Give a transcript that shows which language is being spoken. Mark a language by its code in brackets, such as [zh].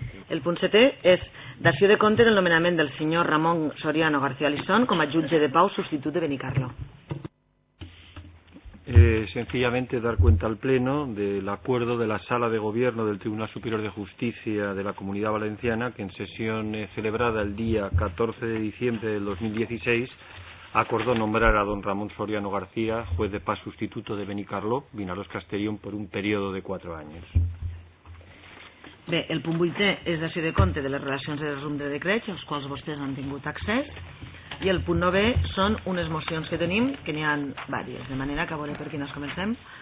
[ca] El punt 7 és dació de compte del nomenament del senyor Ramon Soriano García Lizón com a jutge de pau substitut de Benicarlo. [es] Sencillamente dar cuenta al pleno del acuerdo de la sala de gobierno del Tribunal Superior de Justicia de la Comunidad Valenciana, que en sesión celebrada el día 14 de diciembre del 2016 acordó nombrar a don Ramón Soriano García juez de paz sustituto de Benicarló, Vinaròs Castellón, por un periodo de 4 años. [ca] Bé, el punt 8è és d'ací de compte de les relacions de resum de decrets, als quals vostès han tingut accés, i el punt 9è són unes mocions que tenim, que n'hi ha diverses, de manera que a veure per quines comencem.